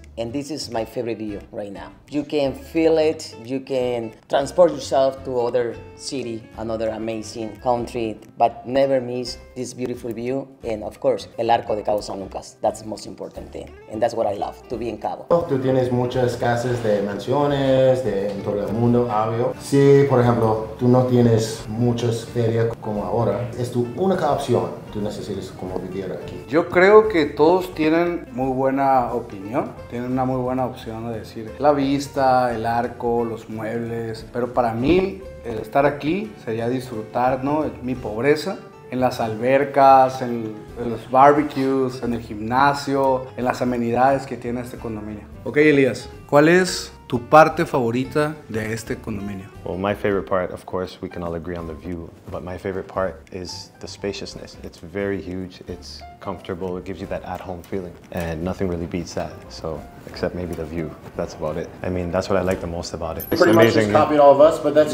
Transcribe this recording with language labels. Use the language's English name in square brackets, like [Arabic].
[English] And this is my favorite view right now. You can feel it, you can transport yourself to other city, another amazing country, but never miss this beautiful view. And of course, el arco de Cabo San Lucas, that's the most important thing. And that's what I love, to be in Cabo. [Spanish] Tú tienes muchas casas de mansiones, de en todo el mundo, obvio. Si, por ejemplo, tú no tienes muchas ferias como ahora, es tu única opción. Tú necesitas como vivir aquí. Yo creo que todos tienen muy buena opinión. Tienen una muy buena opción de decir la vista, el arco, los muebles. Pero para mí, el estar aquí sería disfrutar, ¿no?, mi pobreza. En las albercas, en los barbecues, en el gimnasio, en las amenidades que tiene este condominio. Ok, Elías, ¿cuál es tu parte favorita de este condominio? [English] Well, my favorite part, of course, we can all agree on the view, but my favorite part is the spaciousness. It's very huge, it's comfortable, it gives you that at-home feeling, and nothing really beats that, so, except maybe the view. That's about it. I mean, that's what I like the most about it. It's pretty amazing. Much just copied all of us, but that's